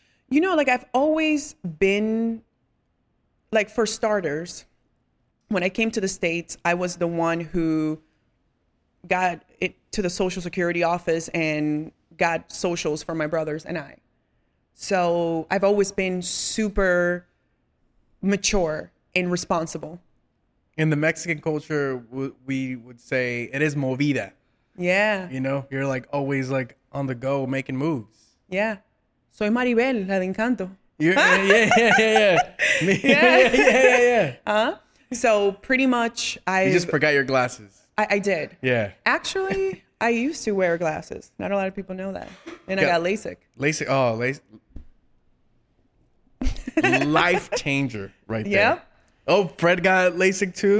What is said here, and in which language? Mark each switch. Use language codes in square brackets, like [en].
[en] You know, like, I've always been, like, for starters, when I came to the States, I was the one who got it to the Social Security office and got socials for my brothers and I. So I've always been super mature and responsible. In the Mexican culture, we would say it is movida. Yeah. You know, you're like always like on the go making moves. Yeah. [es] Soy Maribel, la de Encanto. [en] Yeah. So pretty much I just forgot your glasses. I did. Yeah. Actually, I used to wear glasses. Not a lot of people know that. And I got LASIK. LASIK. Oh, LASIK. Life changer right there. Yeah. Oh, Fred got LASIK too?